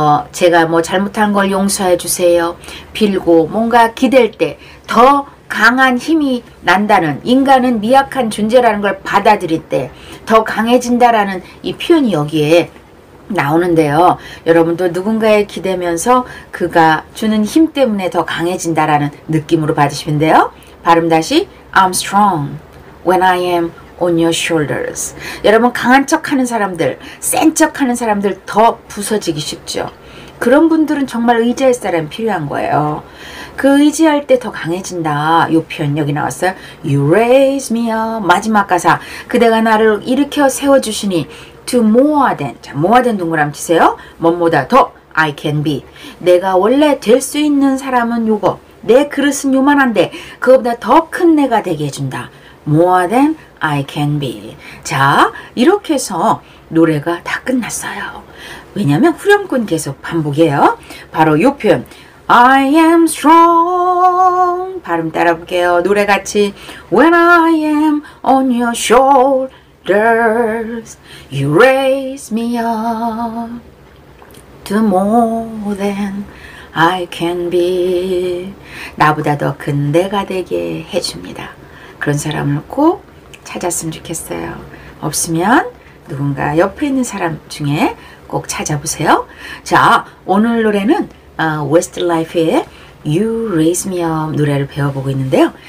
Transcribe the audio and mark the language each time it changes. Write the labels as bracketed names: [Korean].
[Korean] 제가 뭐 잘못한 걸 용서해 주세요 빌고 뭔가 기댈 때 더 강한 힘이 난다는 인간은 미약한 존재라는 걸 받아들일 때 더 강해진다라는 이 표현이 여기에 나오는데요. 여러분도 누군가에 기대면서 그가 주는 힘 때문에 더 강해진다라는 느낌으로 받으시면 돼요. 발음 다시 [English] I'm strong when I am on your shoulders. [Korean] 여러분 강한 척 하는 사람들, 센 척 하는 사람들 더 부서지기 쉽죠. 그런 분들은 정말 의지할 사람이 필요한 거예요. 그 의지할 때 더 강해진다. 이 표현 여기 나왔어요. [English] You raise me up. [Korean] 마지막 가사. 그대가 나를 일으켜 세워주시니 [English] to more than. [Korean] 자, more than 동그라미 치세요. 뭐보다 더 [English] I can be. [Korean] 내가 원래 될 수 있는 사람은 요거. 내 그릇은 요만한데 그거보다 더 큰 내가 되게 해준다. [English] More than I can be. [Korean] 자, 이렇게 해서 노래가 다 끝났어요. 왜냐면 후렴구는 계속 반복이에요. 바로 요 표현. [English] I am strong. [Korean] 발음 따라 볼게요. 노래 같이. [English] When I am on your shoulders, you raise me up to more than I can be. [Korean] 나보다 더 큰 내가 되게 해줍니다. 그런 사람을 꼭 찾았으면 좋겠어요. 없으면 누군가 옆에 있는 사람 중에 꼭 찾아보세요. 자, 오늘 노래는 Westlife의 You Raise Me Up 노래를 배워보고 있는데요.